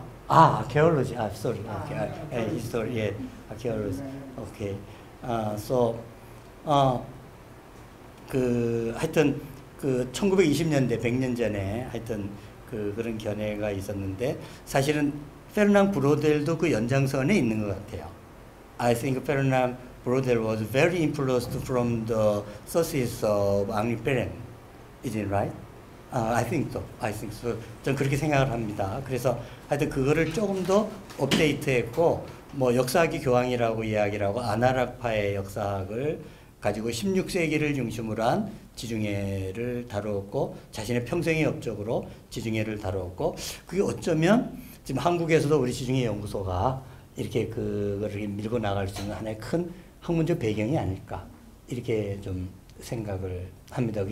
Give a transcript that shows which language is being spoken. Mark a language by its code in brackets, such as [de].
[en] Ah, archaeology, ah, sorry, okay. History, yeah, archaeology, okay. So, [ko] 하여튼 그 1920년대 100년 전에 하여튼 그런 견해가 있었는데 사실은 페르낭 브로델도 그 연장선에 있는 것 같아요. [en] I think Ferdinand Brodel was very influenced from the sources of Henri Pelham. Is it right? I think so. [ko] 전 그렇게 생각을 합니다. 그래서 하여튼 그거를 조금 더 업데이트했고 뭐 역사학이 교황이라고 이야기라고 아나라파의 역사학을 가지고 16세기를 중심으로 한 지중해를 다루었고 자신의 평생의 업적으로 지중해를 다루었고 그게 어쩌면 지금 한국에서도 우리 지중해 연구소가 이렇게 그거를 밀고 나갈 수 있는 하나의 큰 학문적 배경이 아닐까 이렇게 좀 생각을 합니다.